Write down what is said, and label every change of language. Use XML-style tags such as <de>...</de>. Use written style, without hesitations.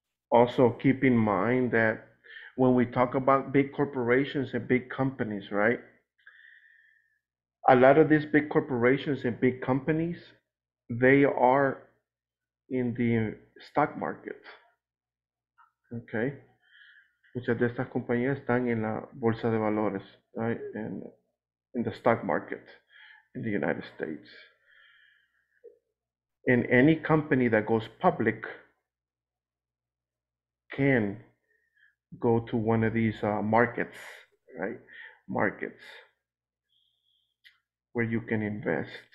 <en>Also, keep in mind that when we talk about big corporations and big companies, right? A lot of these big corporations and big companies, they are in the stock market, okay?</en> <es>Muchas de estas compañías están en la bolsa de valores, right?</es> <en>In the stock market in the United States. And any company that goes public can go to one of these markets, right? Markets where you can invest.</en>